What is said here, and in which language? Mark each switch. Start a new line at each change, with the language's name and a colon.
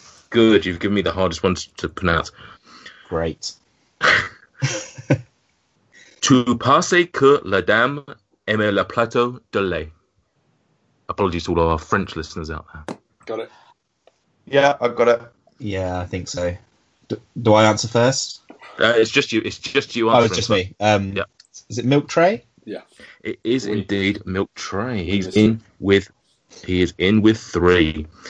English: Good, you've given me the hardest one to pronounce. Great.
French: Tu penses que la dame aime le plateau de lait.
English: Apologies to all our French listeners out there. Got it. Yeah, I've got it. Yeah, I think so. Do I answer first? It's just you. Oh, it's just me. Is it milk tray? Yeah, it is indeed milk tray. He is in with 3.